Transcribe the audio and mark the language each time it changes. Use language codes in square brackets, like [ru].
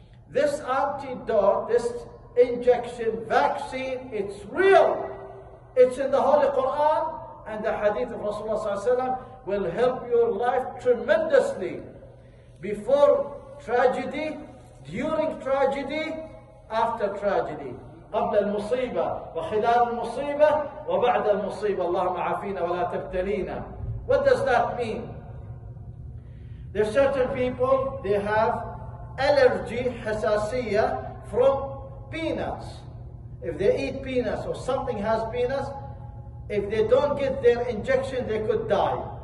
[en] This antidote, this injection, vaccine, it's real. It's in the Holy Quran and the Hadith of Rasulullah Sallallahu Alaihi Wasallam will help your life tremendously. Before tragedy, during tragedy, after tragedy. [ar] قبل المصيبة وخلال المصيبة وبعد المصيبة. اللهم عافينا ولا تبتلينا. [en] What does that mean? There are certain people, they have allergy, حساسية from peanuts. If they eat peanuts or something has peanuts, if they don't get their injection, they could die.